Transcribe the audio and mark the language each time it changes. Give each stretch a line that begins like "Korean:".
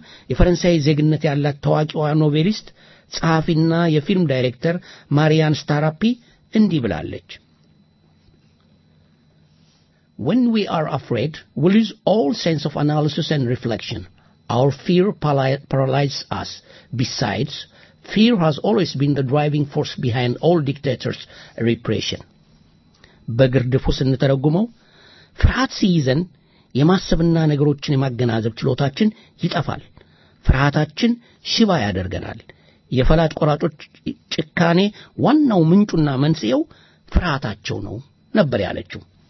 Amharic: የፈረንሳይ ዜግነት ያላት ታዋቂዋ ኖቬሊስት ጸሐፊና የፊልም ዳይሬክተር ማሪያን ስታራፒ እንዲህ ብላለች።
English: When we are afraid, we lose all sense of analysis and reflection. Our fear paralyzes us. Besides, fear has always been the driving force behind all dictators' repression.
Amharic: በግርድፉ ስንተረጉመው ፍርሃት ሲይዘን የማሰብና ነገሮችን የማገናዘብ ችሎታችን ይጠፋል። ፍርሃታችን ሽባ ያደርገናል። የፈላጭ ቆራጮች ጭካኔ ዋናው ምንጩና መንስኤው ፍርሃታቸው ነው ነበር ያለችው።